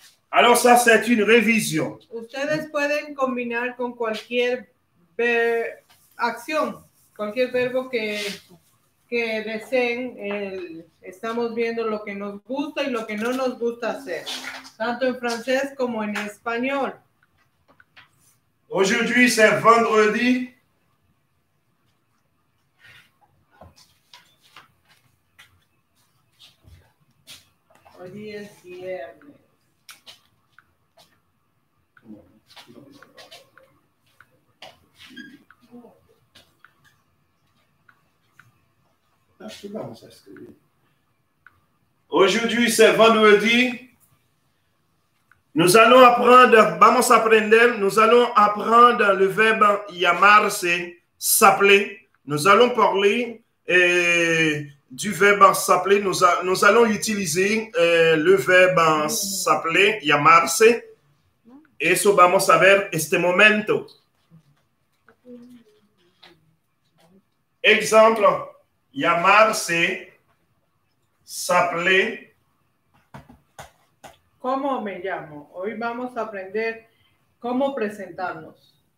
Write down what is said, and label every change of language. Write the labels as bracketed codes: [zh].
[fr] Alors ça, c'est une révision. [es] Ustedes pueden combinar con cualquier acción, cualquier verbo que deseen. Estamos viendo lo que nos gusta y lo que no nos gusta hacer, tanto en francés como en español. [fr] Aujourd'hui, c'est vendredi. [es] Hoy es viernes. [fr] Aujourd'hui, c'est vendredi. Nous allons apprendre, [es] vamos a aprender, [fr] nous allons apprendre le verbe llamarse, s'appeler. Nous allons parler du verbe s'appeler. Nous allons utiliser le verbe s'appeler, llamarse. [es] Eso vamos a ver este momento. [fr] Exemple. Llamarse, s'appeler. [es] ¿Cómo me llamo? Hoy vamos a aprender cómo presentarnos.